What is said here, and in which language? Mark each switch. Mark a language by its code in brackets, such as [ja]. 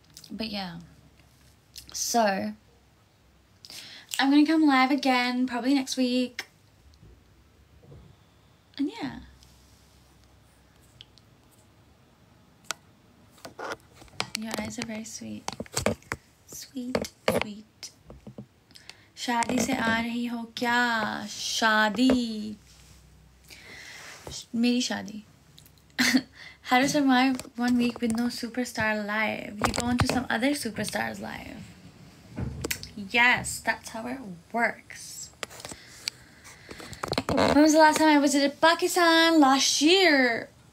[en] But yeah, so I'm going to come live again probably next week, and yeah. Your eyes are very sweet. Sweet, sweet. [hi] शादी से आ रही हो क्या? Shadi. मेरी शादी. [en] How to survive 1 week with no superstar live? You go into some other superstars live. Yes, that's how it works. When was the last time I visited Pakistan? Last year.